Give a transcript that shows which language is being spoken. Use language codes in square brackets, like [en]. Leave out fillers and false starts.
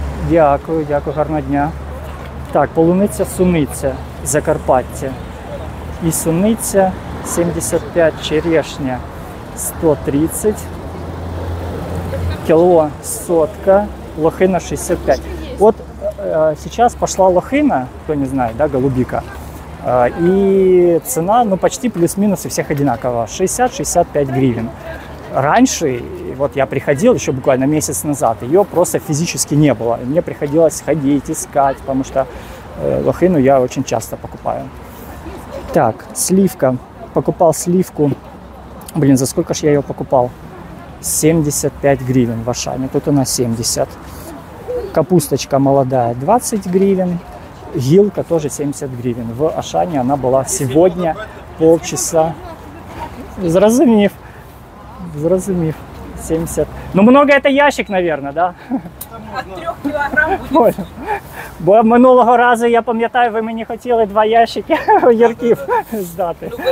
[uk] Дякую, дякую, гарного дня. Так, полуниця, суниця, Закарпаття. І суниця 75, черешня 130. Кіло сотка, лохина 65. От зараз пішла лохина, хто не знає, да, голубіка. [ru] И цена, ну, почти плюс-минус у всех одинаково. 60-65 гривен. Раньше, вот я приходил еще буквально месяц назад, ее просто физически не было. Мне приходилось ходить, искать, потому что лохину я очень часто покупаю. Так, сливка. Покупал сливку Блин, за сколько ж я ее покупал? 75 гривен в Ашане, тут она 70. Капусточка молодая 20 гривен. Гилка тоже 70 гривен. В Ашане она была сегодня полчаса. [uk] Зразумив. Зразумив. 70. [ru] Ну много это ящик, наверное, да? От 3 килограмм будет. [uk] Бо минулого разу, я пам'ятаю, ви мені хотіли два ящики огірків здати.